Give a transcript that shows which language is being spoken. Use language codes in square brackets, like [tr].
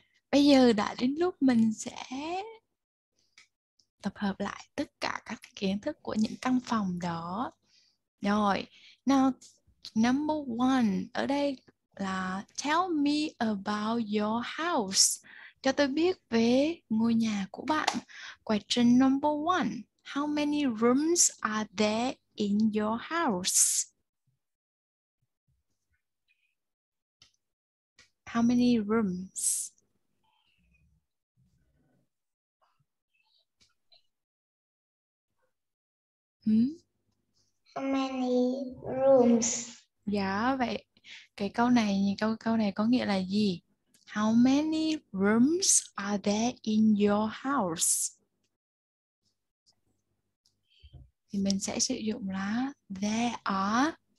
[vi] Bây giờ đã đến lúc mình sẽ tập hợp lại tất cả các kiến thức của những căn phòng đó. [en] Rồi, now number one, [vi] ở đây là [en] tell me about your house. [vi] Cho tôi biết về ngôi nhà của bạn. [en] Question number one, how many rooms are there in your house? How many rooms? How many rooms? [vi] Dạ vậy. Cái câu này, câu này có nghĩa là gì? [en] How many rooms are there in your house? [vi] Thì mình sẽ sử dụng là [en] there are.